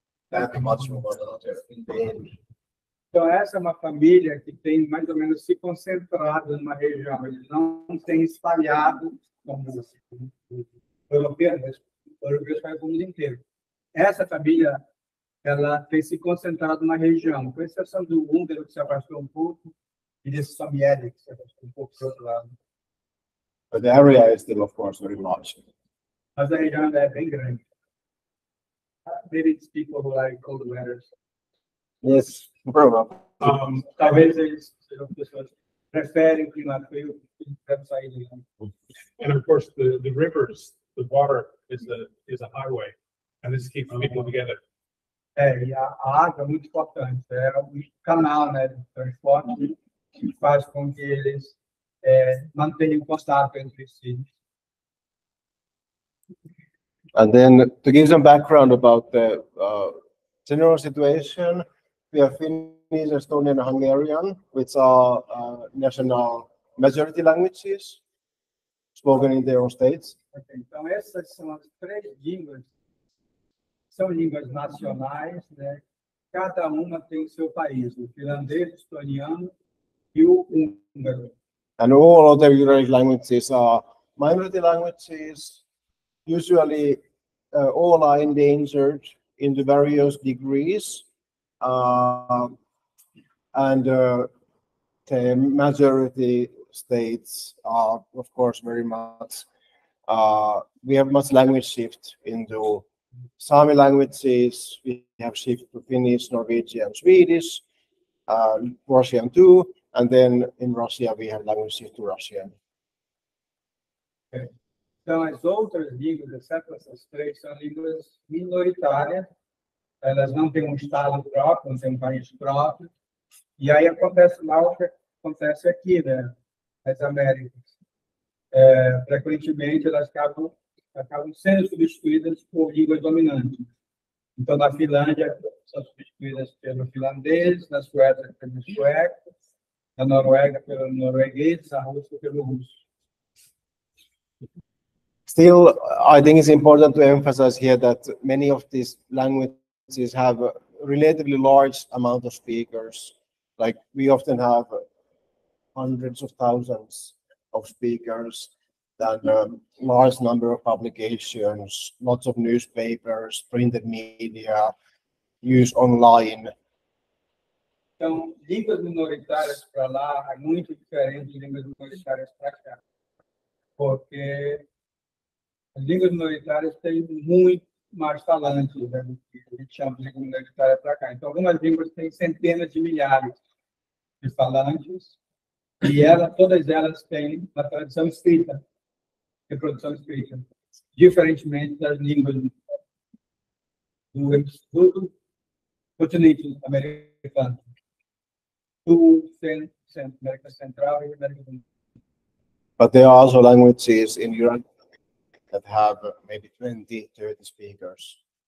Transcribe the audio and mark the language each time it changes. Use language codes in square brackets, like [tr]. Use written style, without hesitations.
[en] But they have not separated geographically that much from one another. [pt] Então, essa é uma família que tem mais ou menos se concentrado numa região. Eles não têm espalhado como europeus para o mundo inteiro. Essa família ela tem se concentrado numa região, com exceção do húngaro, que se afastou um pouco, e desse Samoyedic, que se afastou um pouco para o outro lado. [en] But the area is still, of course, very large. [pt] Mas a região é bem grande. [en] Maybe it's people who like cold letters. Yes, probably. [pt] Talvez eles pessoas preferem clima frio, deve sair de lá. [en] And of course the rivers, the water is a highway, and this keeps people together. [pt] É, e a água é muito importante. É um canal, né, de transporte que faz com que eles mantenham contato entre si. [en] And then to give some background about the general situation, we have Finnish, Estonian, Hungarian, which are national majority languages spoken in their own states. [pt] Okay, então essas são as três línguas, são línguas nacionais, né? Cada uma tem o seu país, o finlandês, o estoniano e o húngaro. [en] And all other Uralic languages are minority languages, usually all are endangered in the various degrees, and the majority states are, of course, very much. We have much language shift in the Sami languages. We have shift to Finnish, Norwegian, Swedish, Russian too. And then in Russia, we have language shift to Russian. Okay. [pt] Então, as outras línguas, exceto essas três, são línguas minoritárias. Elas não têm estado próprio, não têm país próprio. E aí acontece mal o que acontece aqui, né? As Américas. Frequentemente, elas acabam sendo substituídas por línguas dominantes. Então, na Finlândia, são substituídas pelo finlandês, na Suécia, pelo sueco, na Noruega, pelo norueguês, na Rússia, pelo russo. [en] Still, I think it's important to emphasize here that many of these languages have a relatively large amount of speakers. Like, we often have hundreds of thousands of speakers, than a large number of publications, lots of newspapers, printed media, use online. [pt] Então, línguas minoritárias para lá é muito diferente de línguas minoritárias para cá, porque as línguas minoritárias têm muito mais falantes, né, do que a gente chama de língua minoritária para cá. Então, algumas línguas têm centenas de milhares de falantes, e todas elas têm uma tradição escrita, de produção escrita, diferentemente das línguas do continente americano, do América Central e América do Norte. [en] But there are also languages in Europe that have maybe 20, 30 speakers.